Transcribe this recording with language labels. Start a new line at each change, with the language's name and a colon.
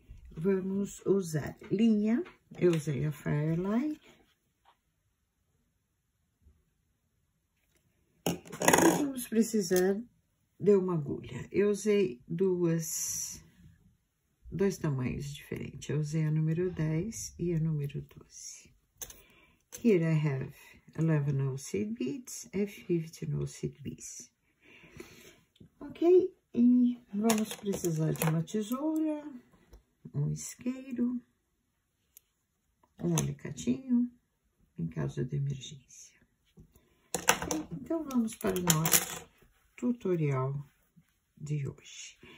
Portuguese: Vamos usar linha, eu usei a Firelight. Vamos precisar de uma agulha. Eu usei dois tamanhos diferentes. Eu usei a número 10 e a número 12.
English: Here I have 11 Aussie beads and 15 Aussie beads.
Portuguese: Ok, e vamos precisar de uma tesoura, um isqueiro, um alicatinho, em caso de emergência. Então, vamos para o nosso tutorial de hoje.